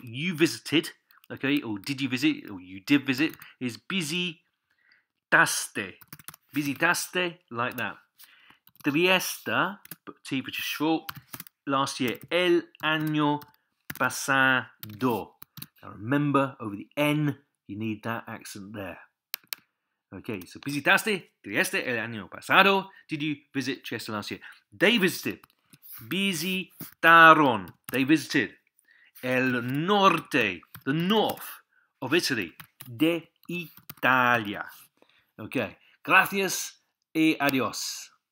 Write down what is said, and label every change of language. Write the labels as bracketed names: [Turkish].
[English] You visited, okay, or did you visit, or you did visit, is visitaste. Visitaste, like that. Trieste, but T, which is short, last year. [Spanish] El año pasado. [English] Now remember, over the N, you need that accent there. [Spanish] Okay, so visitaste Trieste el año pasado. [English] Did you visit Trieste last year? They visited. Visitaron. They visited. [Spanish] El norte, [English] the north of Italy. [Spanish] De Italia. Okay, gracias y adiós.